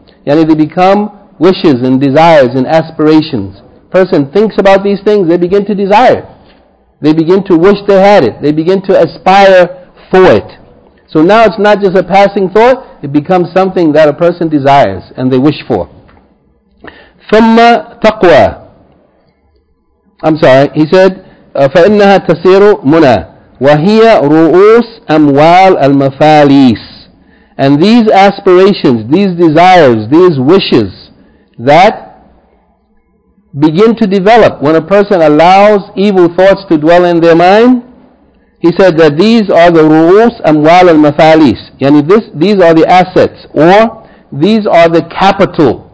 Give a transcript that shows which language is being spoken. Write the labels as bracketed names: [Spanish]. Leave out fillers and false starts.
[English] They become wishes and desires and aspirations. Person thinks about these things, they begin to desire. They begin to wish they had it. They begin to aspire for it. So now it's not just a passing thought, it becomes something that a person desires and they wish for. [Arabic] ثُمَّ تَقْوَى. [English] I'm sorry, he said, [Arabic] فَإِنَّهَا تَصِيرُ مُنَى وَهِيَ رُؤُوسُ أَمْوَالِ الْمَفَالِيسِ. [English] And these aspirations, these desires, these wishes that begin to develop when a person allows evil thoughts to dwell in their mind, he said that these are the rules [Arabic] amwal al mafalis. [English] These are the assets, or these are the capital.